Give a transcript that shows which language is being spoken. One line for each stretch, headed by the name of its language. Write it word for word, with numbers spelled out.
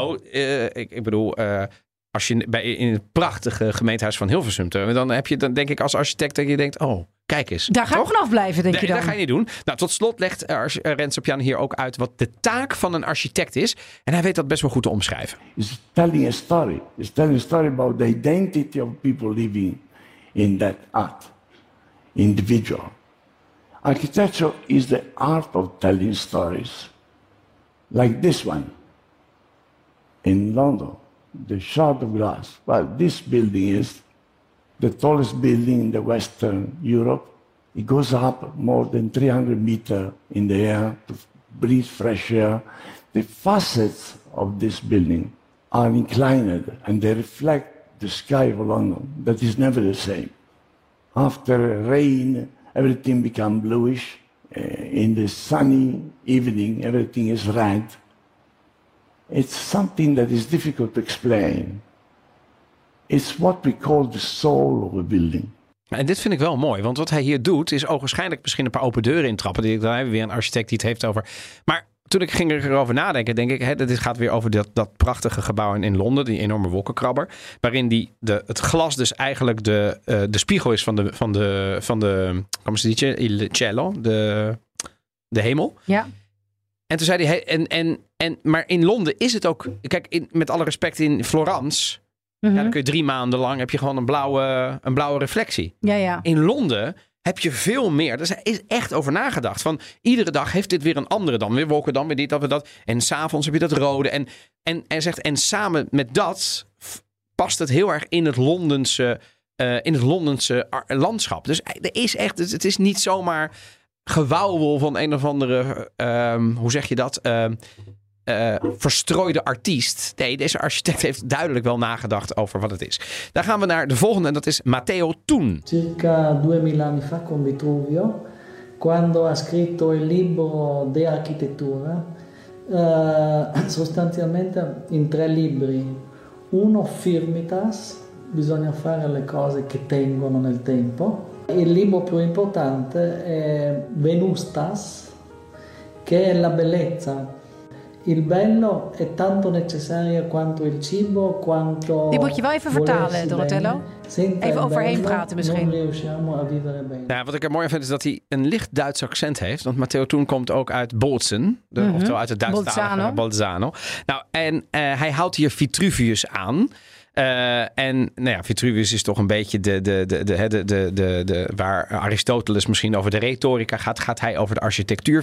Dutch: hallo. Uh, ik, ik bedoel... Uh, Als je bij, in het prachtige gemeentehuis van Hilversum... dan heb je, dan denk ik als architect dat je denkt... oh, kijk eens. Daar ga toch? ik vanaf blijven, denk nee, je dan. Dat ga je niet doen. Nou, tot slot legt uh, Renzo Piano hier ook uit... wat de taak van een architect is. En hij weet dat best wel goed te omschrijven.
English: It's telling a story. It's telling a story about the identity of people living in that art. Individual. Architecture is the art of telling stories. Like this one. In London. The shard of glass. Well, this building is the tallest building in the Western Europe. It goes up more than three hundred meters in the air to breathe fresh air. The facets of this building are inclined and they reflect the sky of London. That is never the same. After rain, everything becomes bluish. In the sunny evening, everything is red. It's something that is difficult to explain. It's what we call the soul of a building.
Dutch: En dit vind ik wel mooi, want wat hij hier doet... is ogenschijnlijk misschien een paar open deuren intrappen. Dan hebben we weer een architect die het heeft over... Maar toen ik ging erover nadenken, denk ik... Hè, dit gaat weer over dat, dat prachtige gebouw in Londen... die enorme wolkenkrabber... waarin die, de, het glas dus eigenlijk de, uh, de spiegel is van de... van de, van de kom eens
Italian: il cielo,
Dutch: de, de hemel. Ja. En toen zei hij... En, en, en, maar in Londen is het ook... Kijk, in, met alle respect in Florence... Mm-hmm. Ja, dan kun je drie maanden lang... heb je gewoon een blauwe, een blauwe reflectie. Ja, ja. In Londen heb je veel meer. Dus er is echt over nagedacht. Van iedere dag heeft dit weer een andere dan. Weer wolken dan, weer dit, dat, weer dat. En s'avonds heb je dat rode. En, en, en, zegt, en samen met dat... F, past het heel erg in het Londense, uh, in het Londense ar- landschap. Dus er is echt... Het, het is niet zomaar... gewauwel van een of andere, um, hoe zeg je dat, um, uh, verstrooide artiest. Nee, deze architect heeft duidelijk wel nagedacht over wat het is. Daar gaan we naar de volgende en dat is Matteo Tun.
Italian: Circa duemila anni fa con Vitruvio, quando ha scritto il libro De Architettura, uh, sostanzialmente in tre libri. Uno firmitas, bisogna fare le cose che tengono nel tempo. Il libro più importante è Venustas, che è la bellezza. Il bello è tanto necessario quanto il cibo, quanto...
Dutch: Die moet je wel even vertalen, Donatello. Even overheen
Italian: bello,
Dutch: praten misschien.
Italian: Non riusciamo a vivere bene.
Dutch: Nou, wat ik er mooi aan vind is dat hij een licht Duits accent heeft. Want Matteo Thun komt ook uit Bolzen. De, mm-hmm. Oftewel uit het Duitsstalige Bolzano. Nou, en uh, hij houdt hier Vitruvius aan. Uh, en nou ja, Vitruvius is toch een beetje de, de, de, de, de, de, de, de, waar Aristoteles misschien over de retorica gaat, gaat hij over de architectuur.